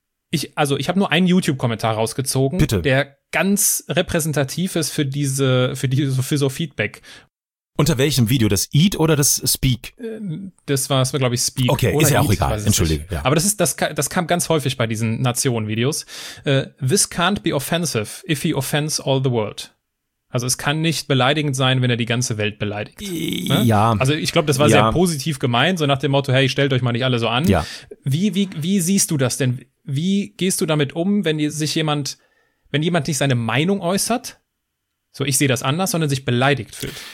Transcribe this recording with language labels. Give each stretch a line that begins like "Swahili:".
German: Ich habe nur einen YouTube-Kommentar rausgezogen, bitte, der ganz repräsentativ ist für so Feedback. Unter welchem Video? Das Eat oder das Speak? Das war es, glaube ich, Speak. Okay, oder ist ja auch Eat, egal, entschuldige. Ja. Aber das kam ganz häufig bei diesen Nationen-Videos.
English: This can't be offensive if he offends all the world.
German: Also es kann nicht beleidigend sein, wenn er die ganze Welt beleidigt. Ja. Also ich glaube, das war sehr positiv gemeint, so nach dem Motto, hey, stellt euch mal nicht alle so an. Ja. Wie siehst du das denn? Wie gehst du damit um, wenn jemand nicht seine Meinung äußert? So, ich sehe das anders, sondern sich beleidigt fühlt.